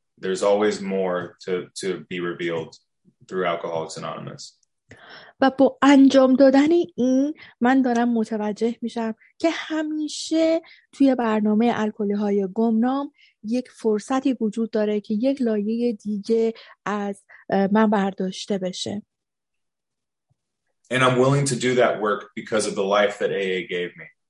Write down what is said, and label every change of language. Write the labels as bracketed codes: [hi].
[en] There's always more to be revealed through Alcoholics Anonymous. [fa] و با انجام دادن این من دارم متوجه میشم که همیشه توی برنامه الکلی های گمنام یک فرصتی وجود داره که یک لایه دیگه از من برداشته بشه. [en] And I'm willing to do that work because of the life that AA gave me.